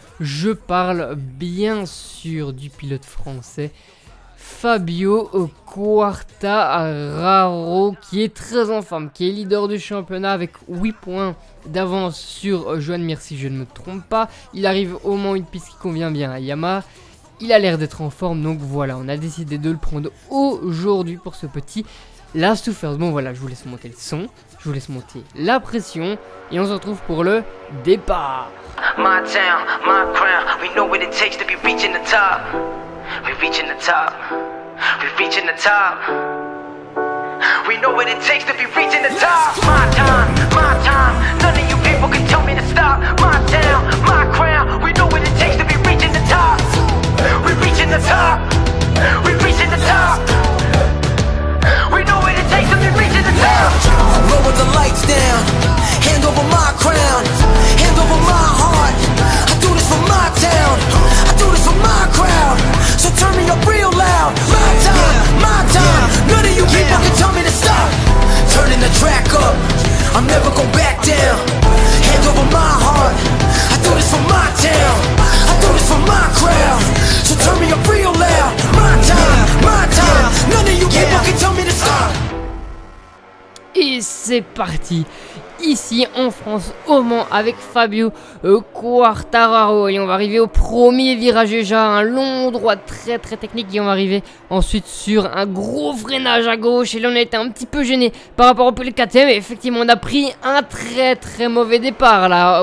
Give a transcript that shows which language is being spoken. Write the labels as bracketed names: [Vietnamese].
[French] Je parle bien sûr du pilote français Fabio Quartararo, qui est très en forme, qui est leader du championnat avec 8 points d'avance sur Joan Mir, si je ne me trompe pas. Il arrive au moins une piste qui convient bien à Yamaha. Il a l'air d'être en forme, donc voilà, on a décidé de le prendre aujourd'hui pour ce petit Last to First. Bon voilà, je vous laisse monter le son, je vous laisse monter la pression et on se retrouve pour le départ. [English] My town, my crown, we know what it takes to be reaching the top. We're reaching the top. We're reaching the top. We know what it takes to be reaching the top. My time, my time. None of you people can tell me to stop. My town, my crown. We know what it takes to be reaching the top. We're reaching the top. We're reaching the top. We know what it takes to be reaching the top. Lower the lights down. Hand over my crown. Hand over my heart. I do this for my town. I do this for my crowd. So turn me up real loud. My time, my time. None of you people can tell me to stop. Turning the track up. I'm never gonna back down. Hand over my heart. I do this for my town. I do this for my crowd. So turn me up real loud. My time, my time. None of you people can tell me to stop. [French] Et c'est parti. Ici en France, au Mans, avec Fabio Quartararo. Et on va arriver au premier virage déjà, un long droit très très technique. Et on va arriver ensuite sur un gros freinage à gauche. Et là, on a été un petit peu gêné par rapport au pilote KTM. Et effectivement, on a pris un très très mauvais départ là.